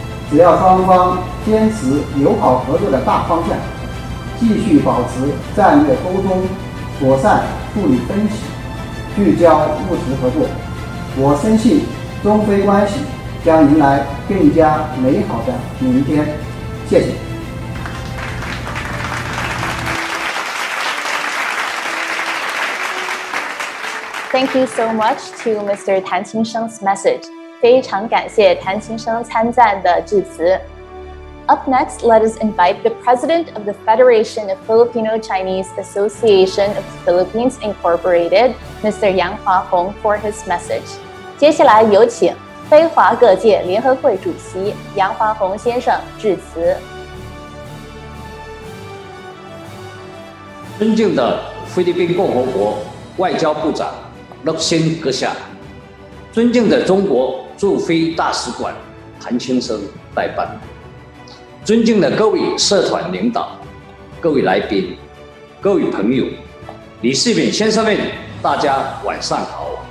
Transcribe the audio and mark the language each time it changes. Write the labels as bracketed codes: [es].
[zh] 只要双方坚持友好合作的大方向，继续保持战略沟通，妥善处理分歧，聚焦务实合作，我深信中非关系将迎来更加美好的明天。谢谢。 [en] Thank you so much to Mr. 谭清生's message. [zh] 非常感谢谭清生参赞的致辞。 [en] Up next, let us invite the President of the Federation of Filipino Chinese Association of the Philippines Incorporated, Mr. Yang Huahong, for his message. [zh] 接下来有请非华各界联合会主席杨华宏先生致辞。尊敬的菲律宾共和国外交部长陆新阁下，尊敬的中国驻菲大使馆谭清生代办，尊敬的各位社团领导、各位来宾、各位朋友，李世民先生们，大家晚上好。